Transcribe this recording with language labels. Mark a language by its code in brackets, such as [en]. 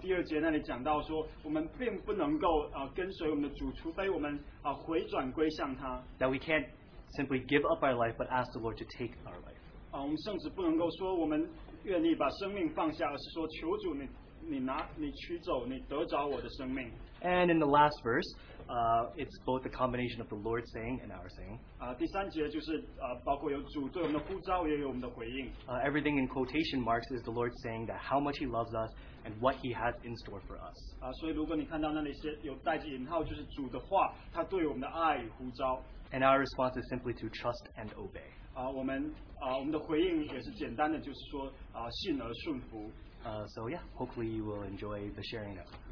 [zh] 第二节那里讲到说，我们并不能够跟随我们的主，除非我们回转归向他。 [en] That we can't simply give up our life, but ask the Lord to take our life. [zh] 我们甚至不能够说我们愿意把生命放下，而是说求主你拿你取走，你得着我的生命。 [en] And in the last verse, it's both the combination of the Lord saying and our saying. [zh] 第三节就是包括有主对我们的呼召，也有我们的回应。 [en] Everything in quotation marks is the Lord saying that how much He loves us and what He has in store for us. [zh] 所以如果你看到那里是有带着引号，就是主的话，他对我们的爱与呼召。 [en] And our response is simply to trust and obey. [zh] 我们的回应也是简单的，就是说信而顺服。 [en] So yeah, hopefully you will enjoy the sharing now.